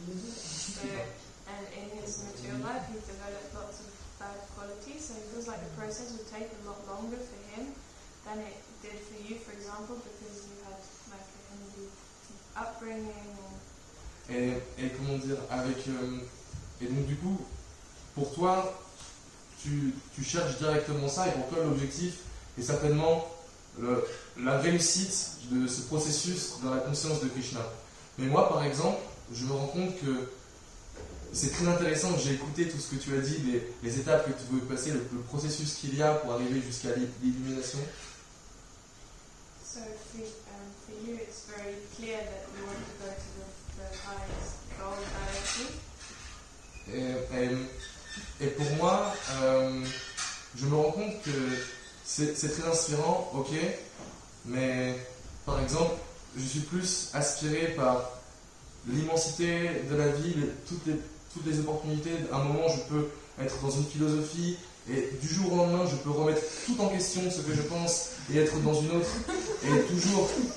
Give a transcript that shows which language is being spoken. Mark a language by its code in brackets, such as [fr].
[en] So, and in his mature life, he developed lots of bad qualities, so it feels like the process would take a lot longer for him than it did for you, for example, because you had like a Hindu upbringing. [fr] Et comment dire, avec et donc du coup, pour toi, tu cherches directement ça, et pour toi, l'objectif est certainement la réussite de ce processus dans la conscience de Krishna. Mais moi, par exemple, je me rends compte que c'est très intéressant, j'ai écouté tout ce que tu as dit, les étapes que tu veux passer, le processus qu'il y a pour arriver jusqu'à l'illumination. [en] So, for you, it's very clear that you want to go to the highest goal directly. [fr] Et pour moi, je me rends compte que c'est très inspirant, ok, mais par exemple, je suis plus aspiré par l'immensité de la vie, toutes les opportunités. À un moment, je peux être dans une philosophie et du jour au lendemain, je peux remettre tout en question ce que je pense et être dans une autre et toujours.